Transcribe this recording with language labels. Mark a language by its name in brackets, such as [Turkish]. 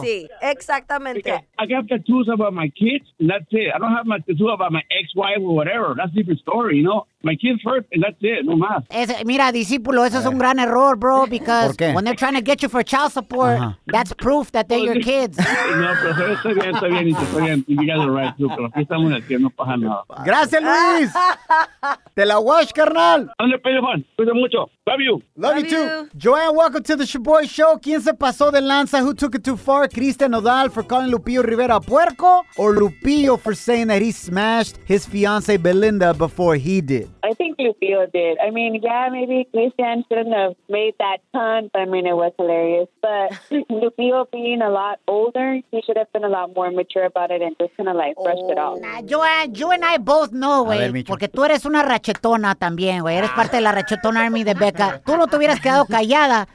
[Spanish] Sí, exactamente. [English] I got tattoos about my kids, and that's it. I don't have my tattoo about my ex-wife or whatever. That's a different story, you know? My kids first, and that's it. [Spanish] No más. Es, mira, discípulo, eso es un gran error, [English] bro, because when they're trying to get you for child support, that's proof that they're your kids. [Spanish] No, pero está bien, [English] you guys are right, too, [Spanish] pero aquí estamos aquí, no pasa nada. Gracias, Luis. Te la wash, carnal. Ande, pedo, Juan. Cuida mucho. [English] Love you. Love you, too. Joanne, welcome to the Shaboy Show. [Spanish] ¿Quién se pasó de lanza? [English] Who took it too far? Cristian Nodal for calling Lupillo Rivera puerco or Lupillo for saying that he smashed his fiance Belinda before he did? I think Lupillo did. I mean, yeah, maybe Christian shouldn't have made that pun, but I mean, it was hilarious. But Lupillo being a lot older, he should have been a lot more mature about it and just kind of like brushed it off. You and I both know, [Spanish] güey, porque tú eres una rachetona también, güey. Eres parte de la rachetón army de Becca. Tú no te hubieras quedado callada.